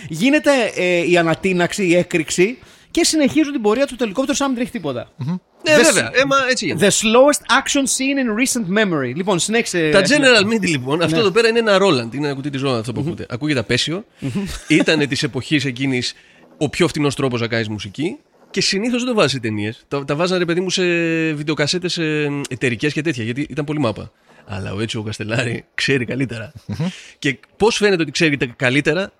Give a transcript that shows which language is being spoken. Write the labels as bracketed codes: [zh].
[el] Γίνεται η ανατίναξη, η έκρηξη, και συνεχίζουν την πορεία του το ελικόπτερο σαν να μην τρέχει τίποτα. Ναι, mm-hmm. Βέβαια, έμα έτσι γίνεται. [en] The slowest action scene in recent memory. [el] Λοιπόν, συνέχισε. Τα General MIDI, λοιπόν, αυτό, ναι, εδώ πέρα είναι ένα Roland. Είναι ένα κουτί της Roland αυτό που ακούτε. Ακούγεται απέσιο. Ήτανε της εποχής εκείνης ο πιο φτηνός τρόπος να κάνεις μουσική. Και συνήθως δεν το βάζει σε ταινίες. Τα βάζανε, ρε παιδί μου, σε βιντεοκασέτες εταιρικές και τέτοια, γιατί ήταν πολύ μάπα. Αλλά ο Έτσιο Καστελάρη ξέρει καλύτερα. Και πώς φαίνεται ότι ξέρει καλύτερα?